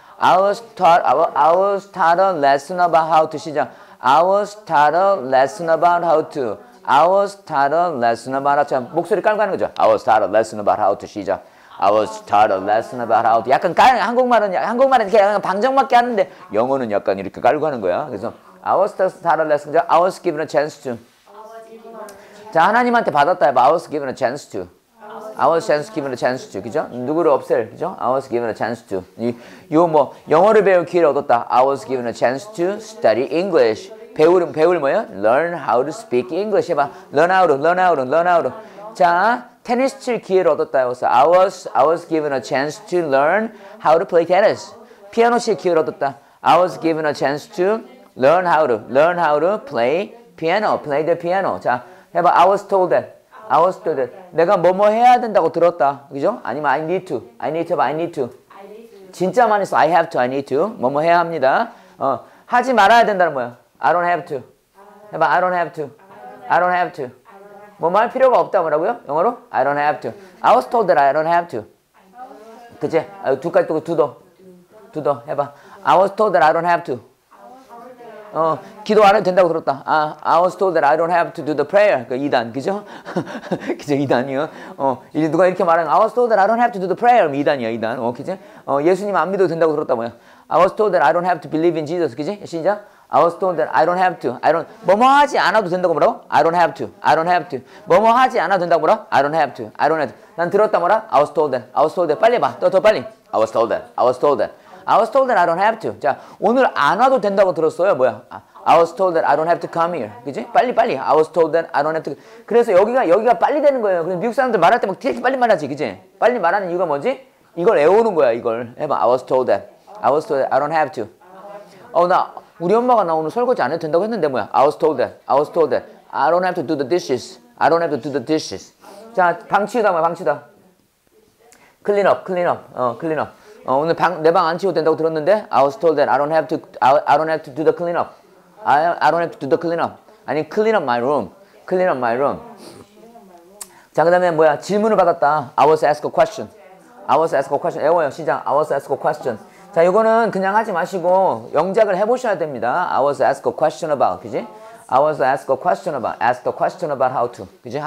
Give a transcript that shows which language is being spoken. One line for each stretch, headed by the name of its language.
English: I was taught a lesson about how to.
Korean: 시작.
English: I was taught a lesson about how to. I was taught a lesson about how to.
Korean: 목소리 깔고 하는 거죠.
English: I was taught a lesson about how to.
Korean: 시작.
English: I was taught a lesson about how to.
Korean: 약간 깔, 한국말은 이렇게 방정 맞게 하는데 영어는 약간 이렇게 깔고 하는 거야. 그래서
English: I was taught a lesson. I was given a chance to.
Korean: 자, 하나님한테 받았다.
English: I was given a chance to. I was chance given a chance to.
Korean: 그죠? 누구를 없앨. 그죠?
English: I was given a chance to.
Korean: 이 영어를 배울 기회를 얻었다.
English: I was given a chance to study English.
Korean: 배울 뭐예요?
English: Learn how to speak English.
Korean: 해봐.
English: Learn how to.
Korean: 자, 테니스 칠 기회를 얻었다.
English: I was given a chance to learn how to play tennis.
Korean: 피아노 칠 기회를 얻었다.
English: I was given a chance to learn how to play piano. Play the piano.
Korean: 자, 해봐.
English: I was told that. I was told that.
Korean: 내가 뭐뭐 해야 된다고 들었다. 그죠? 아니면
English: I need to. I need to. I need to.
Korean: 진짜 많이 써.
English: I have to. I need to.
Korean: 뭐뭐 해야 합니다. 어, 하지 말아야 된다는 뭐야?
English: I don't have to.
Korean: 해봐.
English: I don't have to. I don't have to.
Korean: 뭐 말 필요가 없다 뭐라고요? 영어로?
English: I don't have to. I was told that I don't have to.
Korean: 그치? 아, 두 가지 두고 두더. 두더. 해봐.
English: I was told that I don't have to.
Korean: 어, 기도 안 해도 된다고 들었다.
English: 아, I was told that I don't have to do the prayer.
Korean: 그 2단, 그죠? 그죠, 2단이요. 어, 이제 누가 이렇게 말하는,
English: I was told that I don't have to do the prayer.
Korean: 2단이요, 2단. 어, 그죠? 어, 예수님 안 믿어도 된다고 들었다, 뭐야.
English: I was told that I don't have to believe in Jesus.
Korean: 그지? 시작.
English: I was told that I don't have to. I don't,
Korean: 뭐뭐 하지 않아도 된다고 뭐라고?
English: I don't have to. I don't have to.
Korean: 뭐뭐 하지 않아도 된다고 뭐라?
English: I don't have to. I don't have to.
Korean: 난 들었다 뭐라?
English: I was told that. I was told that.
Korean: 빨리 봐. 더 빨리.
English: I was told that. I was told that. I was told that I don't have to.
Korean: 자, 오늘 안 와도 된다고 들었어요. 뭐야?
English: I was told that I don't have to come here.
Korean: 그지? 빨리 빨리.
English: I was told that I don't have to.
Korean: 그래서 여기가 빨리 되는 거예요. 그래서 미국 사람들 말할 때 막 되게 빨리 말하지. 그지? 빨리 말하는 이유가 뭐지? 이걸 외우는 거야, 이걸. 해봐.
English: I was told that. I was told that I don't have to.
Korean: 어, 나 우리 엄마가 나 오늘 설거지 안 해도 된다고 했는데 뭐야?
English: I was told that. I was told that. I don't have to do the dishes. I don't have to do the dishes.
Korean: 자, 방 치우다 뭐야, 방 치우다.
English: Clean up. Clean up. 어, clean up.
Korean: 어, 오늘 방, 내 방 안 치워도 된다고 들었는데
English: I was told that I don't have to, I don't have to do the clean up. I don't have to do the clean up. 아니, clean up my room. Clean up my room.
Korean: 자, 그 다음에 뭐야? 질문을 받았다.
English: I was asked a question. I was asked a question.
Korean: 애워요, 시작.
English: I was asked a question.
Korean: 자, 이거는 그냥 하지 마시고 영작을 해보셔야 됩니다.
English: I was asked a question about,
Korean: 그지?
English: I was asked a question about, asked a question about how to,
Korean: 그지?